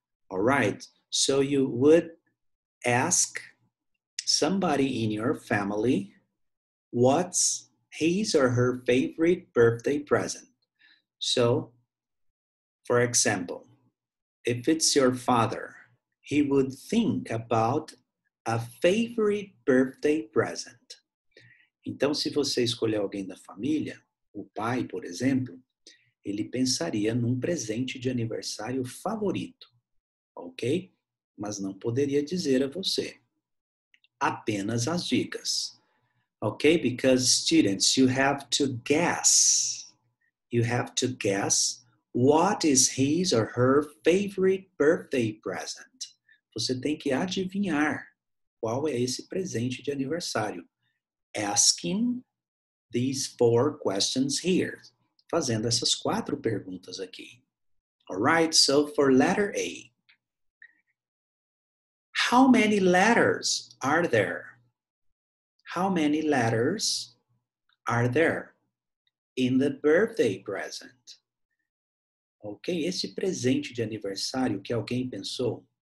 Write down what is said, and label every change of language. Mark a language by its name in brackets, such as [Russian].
[English] All right, so you would ask somebody in your family what's his or her favorite birthday present. So, for example, if it's your father, he would think about a favorite birthday present. [Portuguese] Então, se você escolher alguém da família, o pai, por exemplo, ele pensaria num presente de aniversário favorito, ok? Mas não poderia dizer a você. Apenas as dicas, ok? [English] Because, students, you have to guess. You have to guess what is his or her favorite birthday present. [Portuguese] Você tem que adivinhar qual é esse presente de aniversário. [English] Asking these four questions here. [Portuguese] Fazendo essas quatro perguntas aqui. [English] All right, so for letter A. How many letters are there? How many letters are there in the birthday present? [Portuguese] Ok, esse presente de aniversário que alguém pensou.